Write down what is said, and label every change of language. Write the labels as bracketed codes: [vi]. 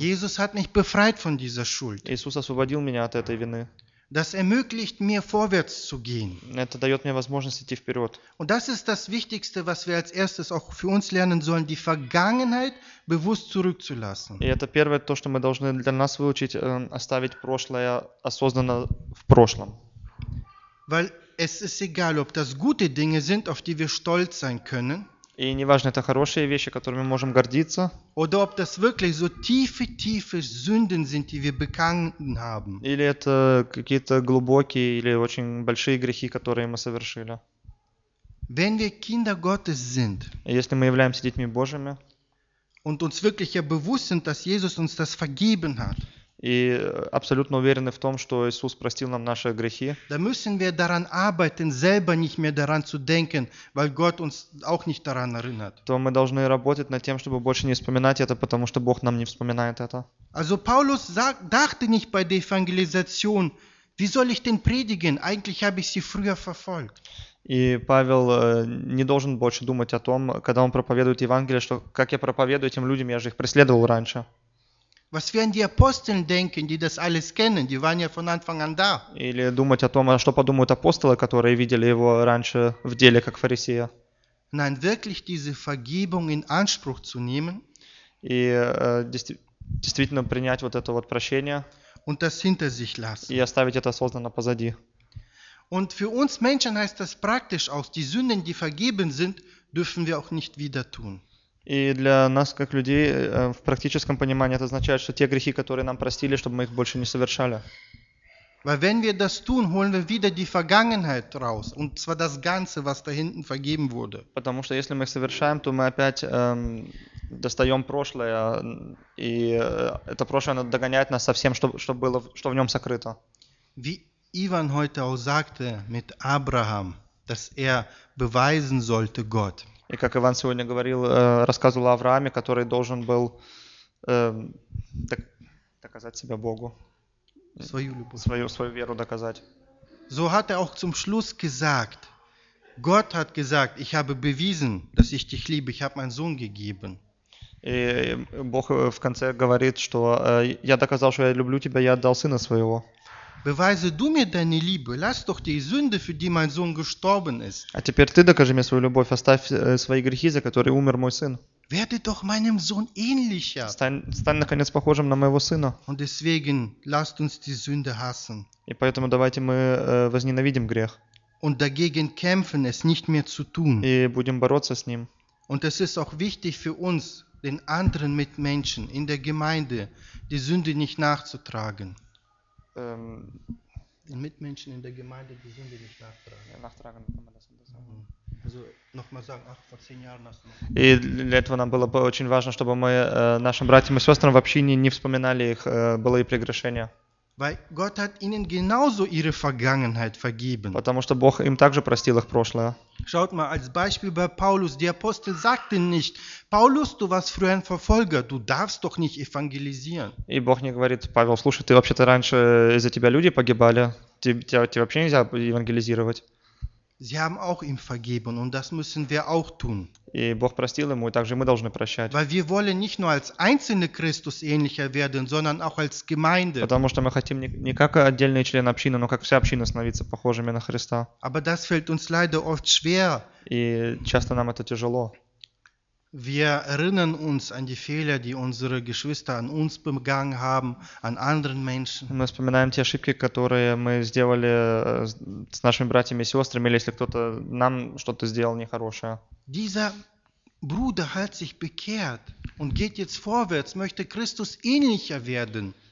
[de] Jesus hat mich befreit von dieser Schuld. [ru] Иисус освободил меня от этой вины. [de] Das ermöglicht mir, vorwärts zu gehen. [ru] Это дает мне возможность идти вперед. [de] Und das ist das Wichtigste, was wir als erstes auch für uns lernen sollen, die Vergangenheit bewusst zurückzulassen. [ru] И это первое, то, что мы должны для нас выучить, оставить прошлое осознанно в прошлом. [de] Weil es ist egal, ob das gute Dinge sind, auf die wir stolz sein können. [ru] И неважно, это хорошие вещи, которыми мы можем гордиться. [de] Oder ob das wirklich so tiefe Sünden sind, die wir begangen haben. [ru] Или это какие-то глубокие или очень большие грехи, которые мы совершили. [de] Wenn wir Kinder Gottes sind. [ru] Если мы являемся детьми Божьими. [de] Und uns wirklich ja bewusst sind, dass Jesus uns das vergeben hat. [ru] И абсолютно уверены в том, что Иисус простил нам наши грехи. [de] Da müssen wir daran arbeiten, selber nicht mehr daran zu denken, weil Gott uns auch nicht daran erinnert. [ru] То мы должны работать над тем, чтобы больше не вспоминать это, потому что Бог нам не вспоминает это. [de] Also Paulus dachte nicht bei der Evangelisation, wie soll ich denn predigen? Eigentlich habe ich sie früher verfolgt. [ru] И Павел не должен больше думать о том, когда он проповедует Евангелие, что как я проповедую этим людям, я же их преследовал раньше. [de] Was werden die Aposteln denken, die das alles kennen? Die waren ja von Anfang an da. [ru] Или думать о том, что подумают апостолы, которые видели его раньше в деле как фарисея. [de] Nein, wirklich diese Vergebung in Anspruch zu nehmen. [ru] И действительно принять вот это вот прощение. [de] Und das hinter sich lassen. [ru] И оставить это осознанно позади. [de] Und für uns Menschen heißt das praktisch auch, die Sünden, die vergeben sind, dürfen wir auch nicht wieder tun. [ru] И для нас, как людей, в практическом понимании это означает, что те грехи, которые нам простили, чтобы мы их больше не совершали. [de] Weil wenn wir das tun, holen wir wieder die Vergangenheit raus. Und zwar das Ganze, was da hinten vergeben wurde. [ru] Потому что если мы их совершаем, то мы опять достаем прошлое. И это прошлое оно догоняет нас со всем, что было, что в нем сокрыто. [de] Wie Ivan heute auch sagte mit Abraham, dass er beweisen sollte Gott. [ru] И как Иван сегодня говорил, рассказывал о Аврааме, который должен был доказать себя Богу. Свою любовь. Свою веру доказать. [de] So hat auch zum Schluss gesagt. Gott hat gesagt, ich habe bewiesen, dass ich dich liebe, ich habe meinen Sohn gegeben. [ru] И Бог в конце говорит, что я доказал, что я люблю тебя, я отдал сына своего. [de] Beweise du mir deine Liebe, lass doch die Sünde, für die mein Sohn gestorben ist. [ru] А теперь ты докажи мне свою любовь, оставь свои грехи, за которые умер мой сын. [de] Werde doch meinem Sohn ähnlicher. [ru] Стань наконец похожим на моего сына. [de] Und deswegen lasst uns die Sünde hassen. [ru] И поэтому давайте мы возненавидим грех. [de] Und dagegen kämpfen, es nicht mehr zu tun. [ru] И будем бороться с ним. [de] Und es ist auch wichtig für uns, den anderen Mitmenschen in der Gemeinde die Sünde nicht nachzutragen. Den Mitmenschen in der Gemeinde die Sünde nicht nachtragen. Nachtragen kann man das anders sagen. Also nochmal sagen, ach, vor 10 Jahren hast du noch... [ru] И для этого нам было бы очень важно, чтобы мы нашим братьям и сестрам в общине не вспоминали их былые прегрешения. [de] Weil Gott hat ihnen genauso ihre Vergangenheit vergeben. [ru] Потому что Бог им также простил их прошлое. [de] Schaut mal, als Beispiel bei Paulus, der Apostel sagte nicht, Paulus, du warst früher ein Verfolger, du darfst doch nicht evangelisieren. [ru] И Бог не говорит, Павел, слушай, ты вообще-то раньше, из-за тебя люди погибали, тебе вообще нельзя евангелизировать. [de] Sie haben auch ihm vergeben und das müssen wir auch tun. [ru] И Бог простил ему, и также мы должны прощать. [de] Weil wir wollen nicht nur als einzelne Christus ähnlicher werden, sondern auch als Gemeinde. [ru] Потому что мы хотим не как отдельные члены общины, но как вся община становиться похожими на Христа. [de] Aber das fällt uns leider oft schwer. [ru] И часто нам это тяжело. [de] Wir erinnern uns an die Fehler, die unsere Geschwister an uns begangen haben, an anderen Menschen. [ru] Мы вспоминаем те ошибки, которые мы сделали с нашими братьями и сестрами, или если кто-то нам что-то сделал нехорошее. [de] Dieser Bruder hat sich bekehrt und geht jetzt vorwärts, möchte Christus ähnlicher werden.